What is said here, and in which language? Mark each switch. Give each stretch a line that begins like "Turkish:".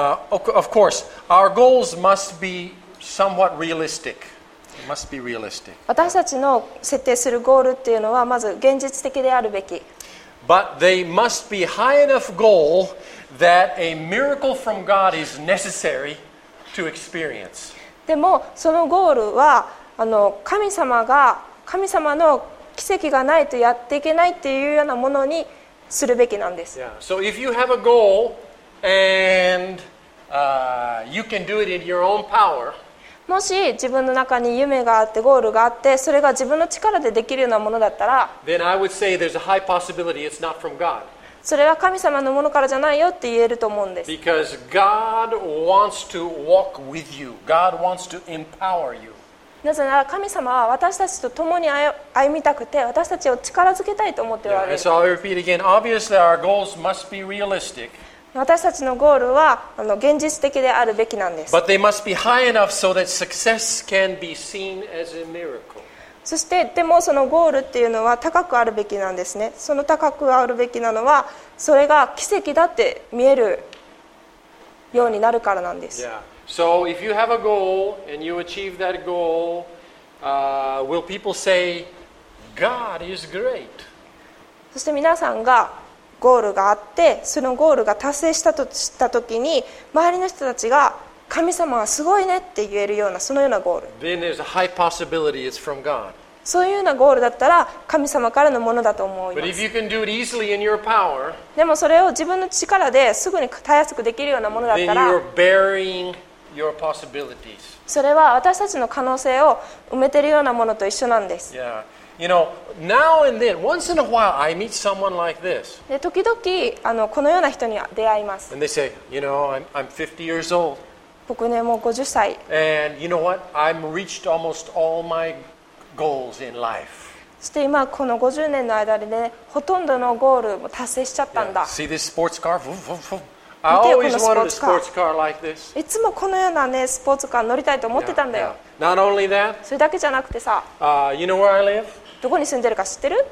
English: Of course, our goals must be somewhat realisticMust be realistic.
Japanese: 私たちの設定するゴールっていうのはまず現実的であるべき。
English: But they must be high enough goal that a miracle from God is necessary to experience.
Japanese: でもそのゴールはあの神様の奇跡がないとやっていけないっていうようなものにするべきなんです。
English: Yeah. So if you have a goal and you can do it in your own power.
Japanese: もし自分の中に夢があってゴールがあってそれが自分の力でできるようなものだったら
English: Then I would say there's a high possibility it's not from God.
Japanese: それは神様のものからじゃないよって言えると思うんです。
English: Because God wants to walk with you. God wants to empower you.
Japanese: なぜなら神様は私たちと共に歩みたくて私たちを力づけたいと思っておられる。
English: Yeah, so I'll repeat again. Obviously our goals must be realistic.
Japanese: 私たちのゴールは現実的であるべきなんです。
English: But they must be high enough so that success can be seen as a miracle.
Japanese: そしてでもそのゴールっていうのは高くあるべきなんですね。その高くあるべきなのはそれが奇跡だって見えるようになるからなんです。
English: Yeah. So if you have a goal and you achieve that goal, will people say, God is great?
Japanese: そして皆さんがゴールがあってそのゴールが達成したとした時に周りの人たちが神様はすごいねって言えるようなそのようなゴール。
English: Then there's a high possibility it's from God.
Japanese: そういうようなゴールだったら神様からのものだと思います。
English: But if you can do it easily in your power,
Japanese: でもそれを自分の力ですぐにたやすくできるようなものだったら
English: Then you're burying your possibilities.
Japanese: それは私たちの可能性を埋めているようなものと一緒なんです。
English: Yeah. You know, now and then, once in a while, I meet someone like this.
Japanese: で、時々、あの、このような人に出会います。
English: And they say, you know, I'm 50 years old.
Japanese: 僕ね、もう50歳。
English: And you know what? I've reached almost all my goals in life.
Japanese: そして今、この50年の間でね、ほとんどのゴールも達成しちゃったんだ。
English: Yeah. See this sports car? Vroom, vroom, vroom. I always wanted a sports car like this.
Japanese: いつもこのようなね、スポーツカー乗りたいと思ってたんだよ。
English: Yeah, yeah. Not only that,
Japanese: それだけじゃなくてさ、
English: you know where I live?
Japanese: どこに住んでるか知ってる？